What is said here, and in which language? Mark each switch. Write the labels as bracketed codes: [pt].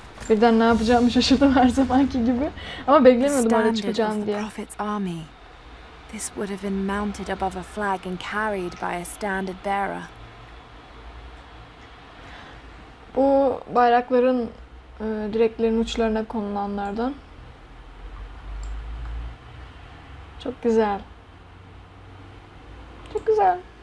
[tr] Birden ne yapacağımı şaşırdım her zamanki gibi. Ama beklemiyordum öyle çıkacağını diye. [en] This would have been mounted above a flag and carried by a standard bearer. [tr] Bu bayrakların direklerin uçlarına konulanlardan. Çok güzel. Çok güzel.